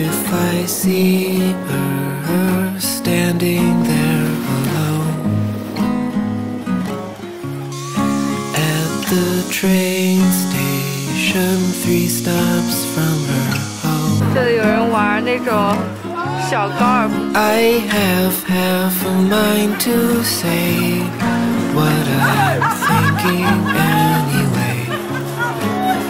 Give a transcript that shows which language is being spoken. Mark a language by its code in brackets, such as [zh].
[en] I see her standing there alone at the train station, three stops from her home. [zh] 这里有人玩那种小高尔夫。 [en] I have half a mind to say what I'm thinking anyway.